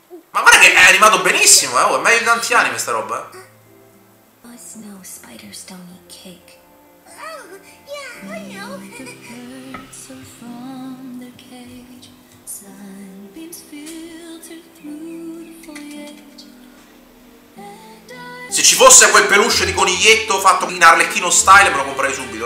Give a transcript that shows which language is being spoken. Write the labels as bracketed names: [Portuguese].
[Italian] Ma guarda che è animato benissimo, eh? È meglio di tanti anime sta roba. [English] No, spiders don't eat cake. Oh, yeah, I know. The birds are from their cage. Sunbeams filter through the foliage. [Italian] Se ci fosse quel peluche di coniglietto fatto in Arlecchino style, me lo comprerei subito.